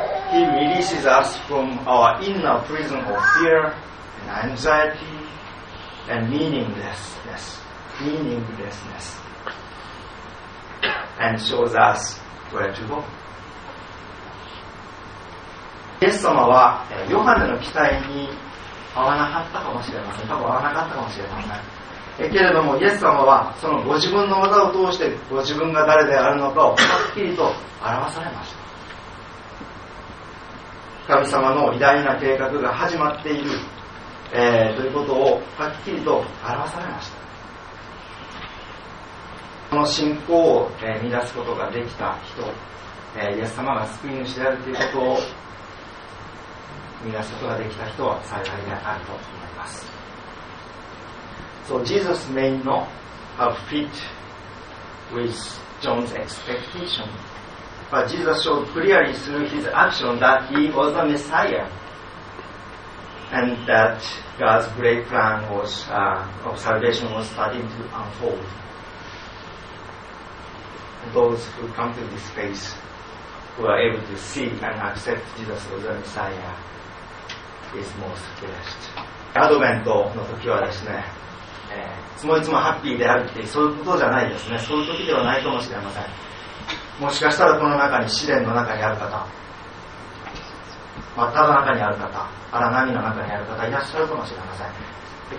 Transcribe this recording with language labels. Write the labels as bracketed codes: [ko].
[en] He releases us from our inner prison of fear and anxiety and meaninglessness, meaninglessness, and shows us where to go. [ja] イエス様はヨハネの期待に合わなかったかもしれません。多分合わなかったかもしれません。けれどもイエス様はそのご自分の技を通してご自分が誰であるのかをはっきりと表されました。神様の偉大な計画が始まっている、ということをはっきりと表されました。この信仰を、見出すことができた人、イエス様が救い主であるということを見出すことができた人は幸いであると思います。 [en] So Jesus may not have fit with John's expectationBut Jesus showed clearly through his action that he was the Messiah and that God's great plan was, of salvation was starting to unfold. Those who come to this place who are able to see and accept Jesus as the Messiah is most blessed. [ja] Advent の時はですね、いつもいつもハッピーであるってそういうことじゃないですね。そういう時ではないかもしれません。もしかしたらこの中に試練の中にある方、真っただ中にある方、荒波の中にある方いらっしゃるかもしれません。